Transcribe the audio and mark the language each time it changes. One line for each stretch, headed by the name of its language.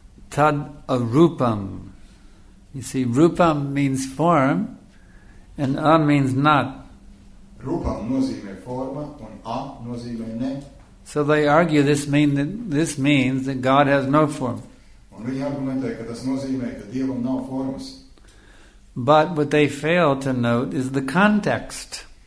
English: Tad arupam. You see, rupam means form, And a means not.
Latvian: Rupa nozīmē forma, un a nozīmē ne.
English: So they argue this means that God has no form.
Latvian: Un viņi argumentē, ka tas nozīmē, ka Dievam nav formas.
English: But what they fail to note is the context.